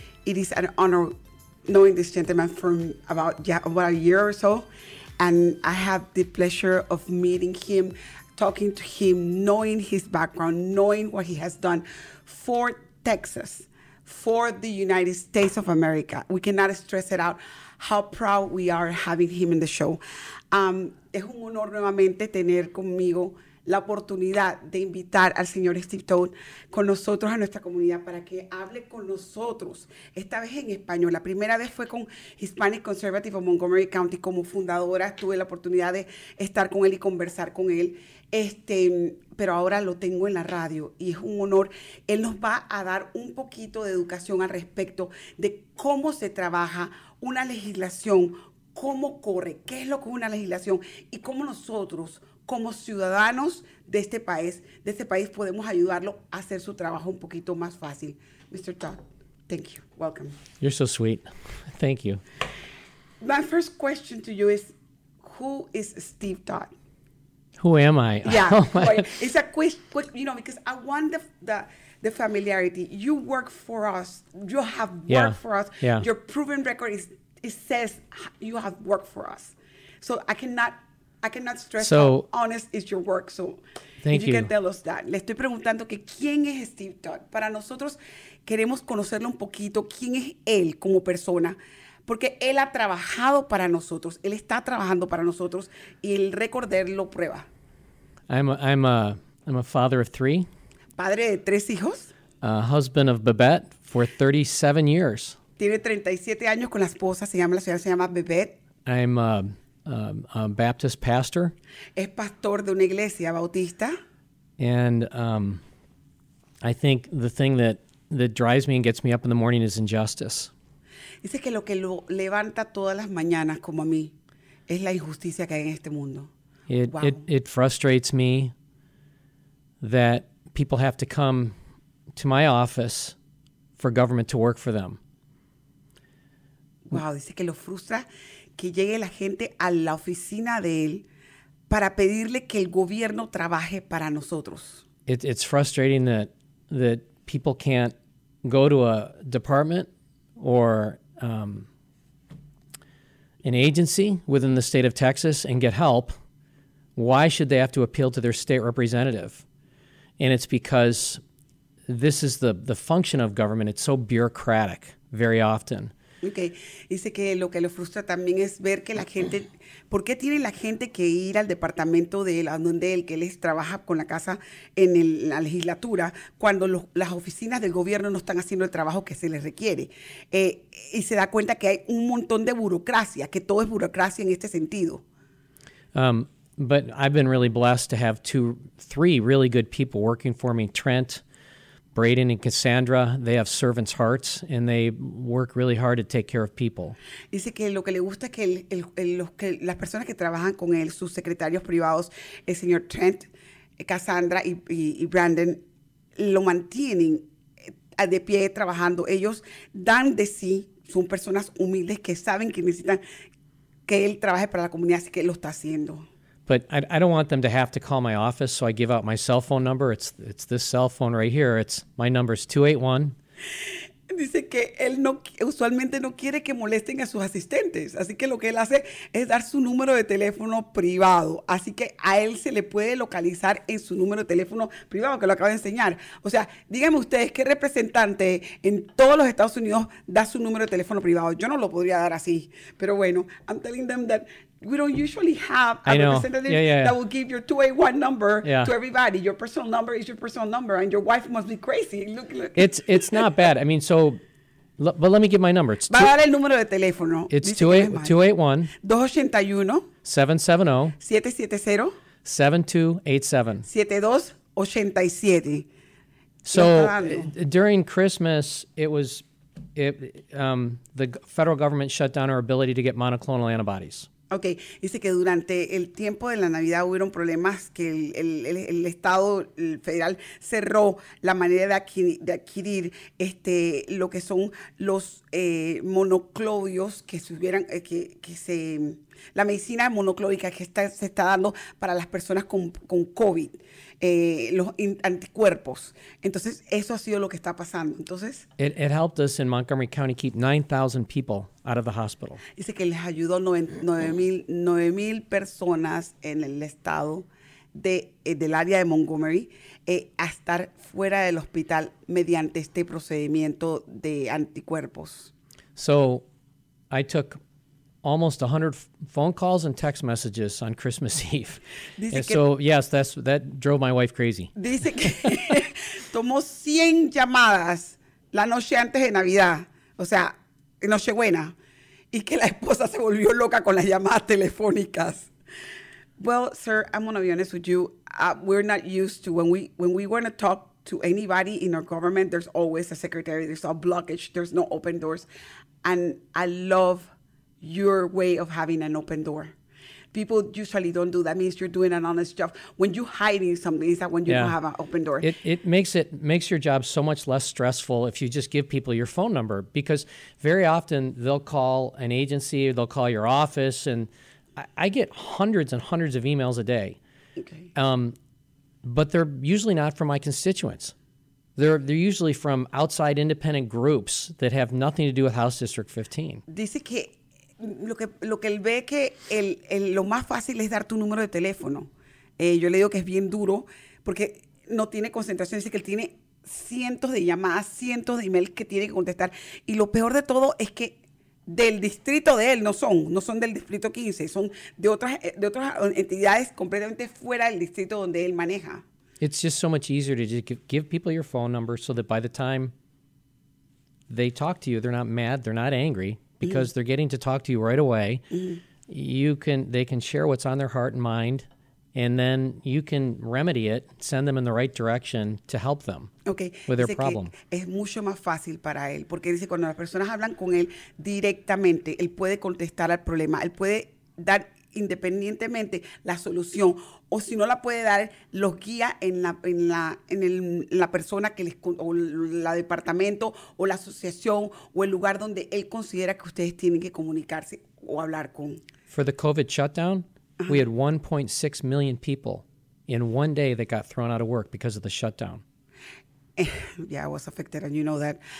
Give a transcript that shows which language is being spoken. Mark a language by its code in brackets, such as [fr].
[en] It is an honor knowing this gentleman from about a year or so, and I have the pleasure of meeting him, talking to him, knowing his background, knowing what he has done for Texas, for the United States of America. We cannot stress it out how proud we are having him in the show. [es] Es un honor nuevamente tener conmigo la oportunidad de invitar al señor Steve Toth con nosotros a nuestra comunidad para que hable con nosotros, esta vez en español. La primera vez fue con Hispanic Conservative of Montgomery County como fundadora. Tuve la oportunidad de estar con él y conversar con él. Pero ahora lo tengo en la radio y es un honor. Él nos va a dar un poquito de educación al respecto de cómo se trabaja una legislación, cómo corre, qué es lo que es una legislación y cómo nosotros, como ciudadanos de este país, podemos ayudarlo a hacer su trabajo un poquito más fácil. Mr. Todd. [en] Thank you. Welcome. You're so sweet. Thank you. My first question to you is, who is Steve Toth? Who am I? Yeah. It's a quick, you know, because I want the familiarity. You work for us. You have worked for us. Yeah. Your proven record is, it says you have worked for us. So I cannot stress how honest is your work. So thank you. You can tell us that. [es] Le estoy preguntando que quién es Steve Toth. Para nosotros queremos conocerlo un poquito. ¿Quién es él como persona? Porque él ha trabajado para nosotros. Él está trabajando para nosotros. Y el récord de él lo prueba. [en] I'm a father of three. [es] Padre de tres hijos. [en] A husband of Babette for 37 years. [es] Tiene 37 años con la esposa. Se llama, la señora se llama Babette. [en] I'm a Baptist pastor. [es] Es pastor de una iglesia bautista. [en] And I think the thing that drives me and gets me up in the morning is injustice. [es] Dice que lo que lo levanta todas las mañanas como a mí es la injusticia que hay en este mundo. [en] It frustrates me that people have to come to my office for government to work for them. [es] Wow, dice que lo frustra que llegue la gente a la oficina de él para pedirle que el gobierno trabaje para nosotros. [en] It's frustrating that people can't go to a department or an agency within the state of Texas and get help. Why should they have to appeal to their state representative? And it's because this is the function of government. It's so bureaucratic very often. Okay. [es] Dice que lo que lo frustra también es ver que la gente, ¿por qué tiene la gente que ir al departamento de él, a donde él, que les trabaja con la casa en la legislatura, cuando las oficinas del gobierno no están haciendo el trabajo que se les requiere? Y se da cuenta que hay un montón de burocracia, que todo es burocracia en este sentido. [en] But I've been really blessed to have three really good people working for me, Trent, Braden and Cassandra. They have servants' hearts, and they work really hard to take care of people. [es] Dice que lo que le gusta es que las personas que trabajan con él, sus secretarios privados, el señor Trent, Cassandra y Brandon, lo mantienen de pie trabajando. Ellos dan de sí, son personas humildes que saben que necesitan que él trabaje para la comunidad, así que lo está haciendo. [en] But I don't want them to have to call my office, so I give out my cell phone number. It's this cell phone right here. It's my number is 281. [es] Dice que él no usualmente no quiere que molesten a sus asistentes, así que lo que él hace es dar su número de teléfono privado, así que a él se le puede localizar en su número de teléfono privado que lo acaba de enseñar. O sea, díganme ustedes qué representante en todos los Estados Unidos da su número de teléfono privado. Yo no lo podría dar así, pero bueno, [en] I'm telling them that we don't usually have a representative that will give your 281 number to everybody. Your personal number is your personal number, and your wife must be crazy. Look. It's not bad. I mean, so, but let me give my number. [es] Va a dar el número de teléfono. [en] It's 281. 281. 770. 770. 7287. 7287. So, during Christmas, the federal government shut down our ability to get monoclonal antibodies. [es] Okay, dice que durante el tiempo de la Navidad hubieron problemas que el Estado federal cerró la manera de adquirir lo que son los monoclonales la medicina monoclónica que se está dando para las personas con COVID, los anticuerpos. Entonces, eso ha sido lo que está pasando. Entonces, [en] it helped us in Montgomery County keep 9,000 people out of the hospital. [es] Dice que les ayudó 9,000 personas en el estado del área de Montgomery a estar fuera del hospital mediante este procedimiento de anticuerpos. [en] So, I took almost 100 phone calls and text messages on Christmas Eve. That drove my wife crazy. [es] Dice que tomó 100 llamadas la noche antes de Navidad, o sea, Nochebuena, y que la esposa se volvió loca con las llamadas telefónicas. [en] Well, sir, I'm going to be honest with you. We're not used to when we want to talk to anybody in our government, there's always a secretary, there's a blockage, there's no open doors. And I love your way of having an open door. people usually don't do. That means you're doing an honest job. When you're hiding something, is that when you don't have an open door? It makes your job so much less stressful if you just give people your phone number, because very often they'll call an agency or they'll call your office, and I get hundreds and hundreds of emails a day. Okay. But they're usually not from my constituents. They're usually from outside independent groups that have nothing to do with House District 15. [es] Dice que lo que él ve que el lo más fácil es dar tu número de teléfono. Yo le digo que es bien duro porque no tiene concentración. Dice que él tiene cientos de llamadas, cientos de emails que tiene que contestar. Y lo peor de todo es que del distrito de él no son del distrito 15, son de otras entidades completamente fuera del distrito donde él maneja. [en] It's just so much easier to just give people your phone number so that by the time they talk to you, they're not mad, they're not angry, because mm-hmm. they're getting to talk to you right away. Mm-hmm. They can share what's on their heart and mind, and then you can remedy it, send them in the right direction to help them okay. with their problem. [es] Es mucho más fácil para él, porque dice cuando las personas hablan con él directamente, él puede contestar al problema, él puede dar independientemente la solución, o si no la puede dar, los guía en la persona que les, o la departamento o la asociación o el lugar donde él considera que ustedes tienen que comunicarse o hablar con. [en] For the COVID shutdown, uh-huh. we had 1.6 million people in one day that got thrown out of work because of the shutdown. Yeah, I was affected, and you know that.